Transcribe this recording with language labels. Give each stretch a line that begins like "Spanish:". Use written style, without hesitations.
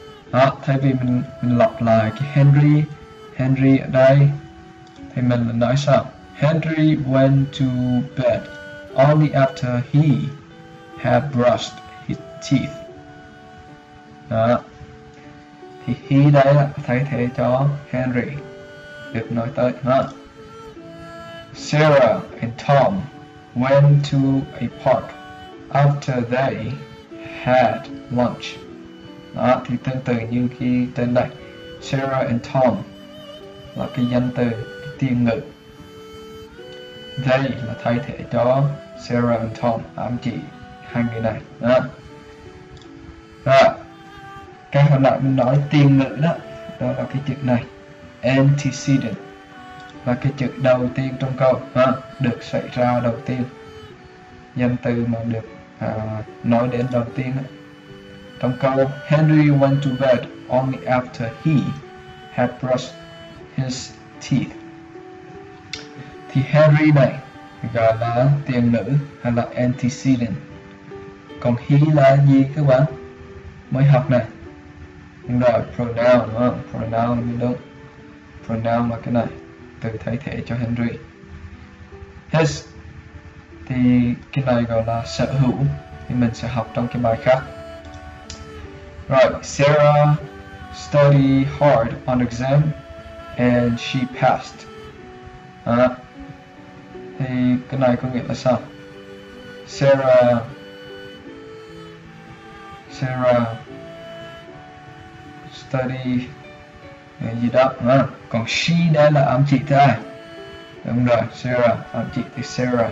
Vietnamese: Đó, thay vì mình lặp lại cái Henry ở đây thì mình là nói sao?
English: Henry went to bed only after he had brushed his teeth.
Vietnamese: Đó. Thì he đây là thay thế cho Henry được nói tới. Đó.
English: Sarah and Tom went to a park after they had lunch.
Vietnamese: Đó, thì tương tự như khi tên đây Sarah and Tom là cái danh từ, cái tiên ngữ. They là thay thế cho Sarah and Tom, ám chỉ hai người này. Đó. Đó. Cái hồi nãy mình nói tiên ngữ đó, đó là cái chữ này, antecedent, là cái chữ đầu tiên trong câu, đó. Được xảy ra đầu tiên, danh từ mà được nói đến đầu tiên đó. Trong câu
English: Henry went to bed only after he had brushed his teeth.
Vietnamese: Thì Henry này gọi là tiền nữ hay là antecedent. Còn he là gì các bạn? Mới học này. Rồi, pronoun, đúng không? Pronoun đúng. Pronoun là cái này. Từ thay thế cho Henry. His thì cái này gọi là sở hữu. Thì mình sẽ học trong cái bài khác.
English: Right, Sarah studied hard on exam and she passed.
Vietnamese: À, thì cái này có nghĩa là sao? Sarah study gì đó. À, còn she đây là ám chỉ tới ai? Đúng rồi, Sarah ám chỉ tới Sarah.